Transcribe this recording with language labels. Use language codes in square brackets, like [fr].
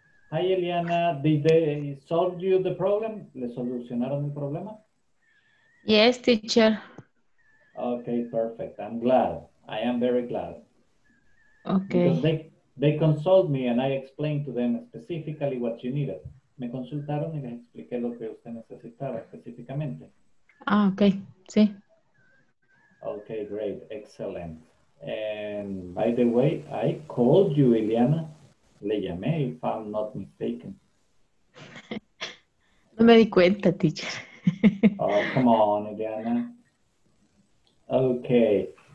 [en] Hi, Ileana. Did they solve you the problem? [es] ¿Le solucionaron el problema? [en] Yes, teacher. Okay, perfect. I'm glad. I am very glad. Okay. Because they consulted me and I explained to them specifically what you needed. [es] Me consultaron y les expliqué lo que usted necesitaba específicamente. Ah, okay. Sí. [en] Okay, great. Excellent. And by the way, I called you, Ileana. [es] Le llamé, [en] if I'm not mistaken. [es] No me di cuenta, teacher. [en] Oh, come on, Ileana. Okay.